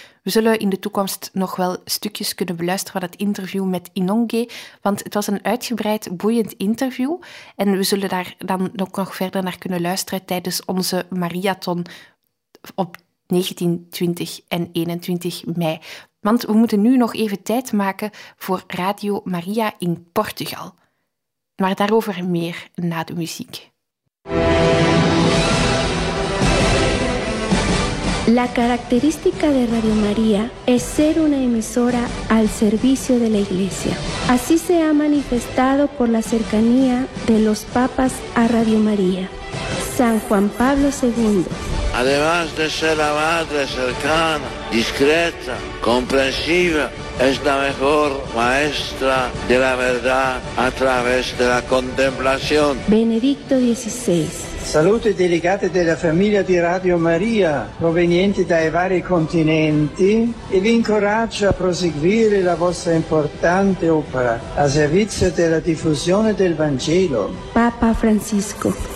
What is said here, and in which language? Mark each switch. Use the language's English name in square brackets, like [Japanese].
[Dutch] We zullen in de toekomst nog wel stukjes kunnen beluisteren van het interview met Inonge, want het was een uitgebreid, boeiend interview en we zullen daar dan ook nog verder naar kunnen luisteren tijdens onze marathon op 19, 20 en 21 mei. Want we moeten nu nog even tijd maken voor Radio Maria in Portugal. Maar daarover meer na de muziek. [Spanish] La característica de Radio María es ser una emisora al servicio de la Iglesia. Así se ha manifestado por la cercanía de los papas a Radio María. San Juan Pablo II. Además de ser la madre cercana, discreta, comprensiva, es la mejor maestra de la verdad a través de la contemplación. Benedicto XVI. [Italian] Salute delegate della famiglia di Radio Maria, provenienti dai vari continenti, e vi incoraggio a proseguire la vostra importante opera a servizio della diffusione del Vangelo. [Spanish] Papa Francisco.